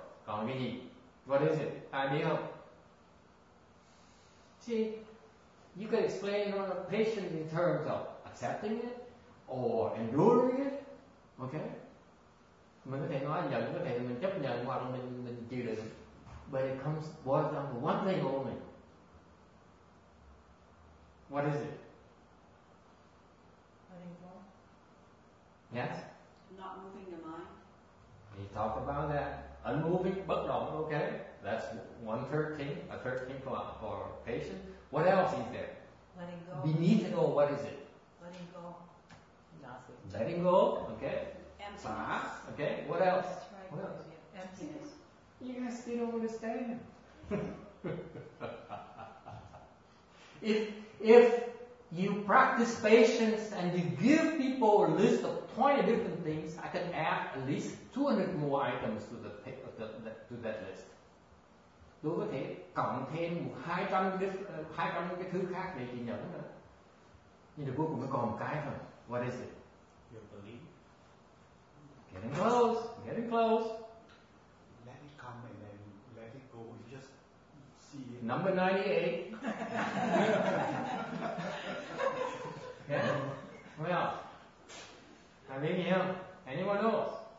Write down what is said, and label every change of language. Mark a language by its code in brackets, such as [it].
[vi] Còn cái gì? [en] What is it? [vi] Ai biết không? [en] See, you can explain on a patience in terms of accepting it or enduring it, okay? [vi] Mình có thể nói nhận, có thể mình chấp nhận hoặc mình chịu đựng. [en] But it comes boils down to one thing only. What is it? Letting go. Yes. Not moving your mind. We talk about that. Unmoving, bất động, okay? That's one third thing, a third thing for patience. What else is there? Letting go. Beneath it all, what is it? Letting go. Nothing. Letting go, okay? Emptiness. Okay, what else? Right. What else? Yeah. Emptiness. You guys still don't understand. If you practice patience and you give people a list of 20 different things, I can add at least 200 more items to that list. [vi] Tôi có thể cộng thêm 200 cái thứ khác để chỉ nhận nữa. Nhưng mà cuối cùng nó còn một cái thôi. [en] What is it? Your belief. Getting close. Let it come and then let it go. You just see it. Number 98. Yeah. Well, I mean, yeah. Anyone else?